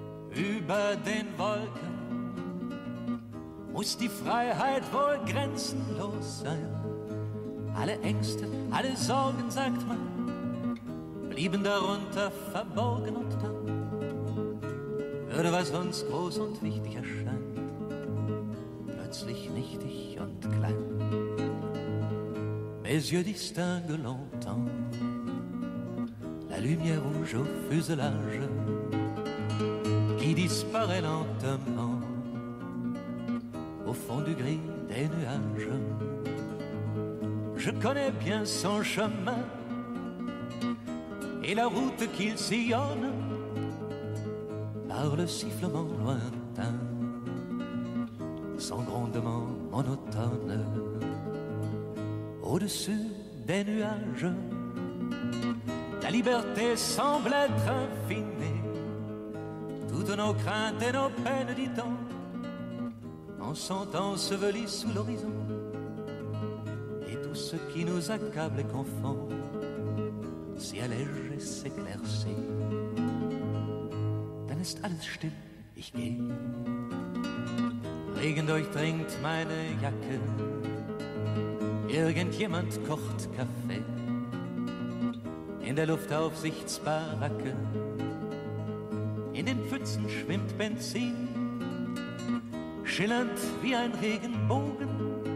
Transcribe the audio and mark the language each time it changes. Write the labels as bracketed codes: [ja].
[de] Über den Wolken muss die Freiheit wohl grenzenlos sein. Alle Ängste, alle Sorgen, sagt man, blieben darunter verborgen. Und dann würde, was uns groß und wichtig erscheint, plötzlich nichtig und klein. [fr] Mes yeux distinguent longtemps la lumière rouge au fuselage qui disparaît lentement au fond du gris des nuages. Je connais bien son chemin et la route qu'il sillonne par le sifflement lointain, son grondement monotone. Au-dessus des nuages, la liberté semble être infinie. Toutes nos craintes et nos peines, dit-on, en sont ensevelies sous l'horizon. Ce qui nous accable et confond s'y allège et s'éclaircit. [de] Dann ist alles still, ich geh. Regen durchdringt meine Jacke, irgendjemand kocht Kaffee. In der Luftaufsichtsbaracke, in den Pfützen schwimmt Benzin, schillernd wie ein Regenbogen.